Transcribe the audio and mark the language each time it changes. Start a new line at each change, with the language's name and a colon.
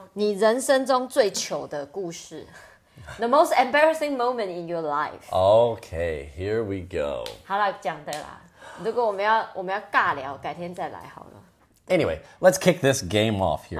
Chinese: 哦，好啊，那我们今天讲什么故事？你人生中最糗的故事。
English: The most embarrassing moment in your life. Okay, here we go.
Chinese: 好啦，讲的啦。如果我们要尬聊，改天再来好了。
English: Anyway, let's kick this game off here,